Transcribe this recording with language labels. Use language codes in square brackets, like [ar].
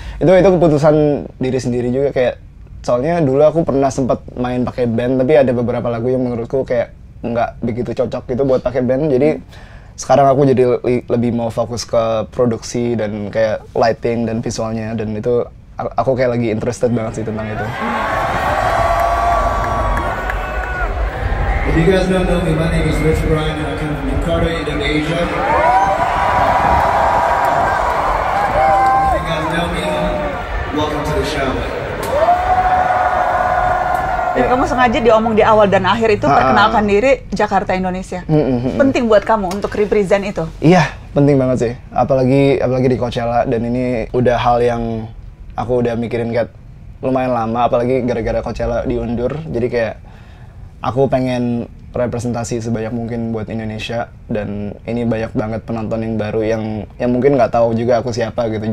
[id] Itu keputusan diri sendiri juga kayak soalnya dulu aku pernah sempat main pakai band tapi ada beberapa lagu yang menurutku kayak nggak begitu cocok gitu buat pakai band jadi. Sekarang aku jadi lebih mau fokus ke produksi dan kayak lighting dan visualnya dan itu aku kayak lagi interested banget sih tentang itu. [en] If you guys don't know me, my name is Rich Brian and I come from Jakarta, Indonesia. If you guys know me, welcome to the show. [id] Jadi kamu sengaja diomong di awal dan akhir itu perkenalkan diri Jakarta Indonesia. Penting buat kamu untuk represent itu. Iya, penting banget sih. Apalagi di Coachella dan ini udah hal yang aku udah mikirin kayak lumayan lama. Apalagi gara-gara Coachella diundur, jadi kayak aku pengen representasi sebanyak mungkin buat Indonesia dan ini banyak banget penonton yang baru yang mungkin nggak tahu juga aku siapa gitu.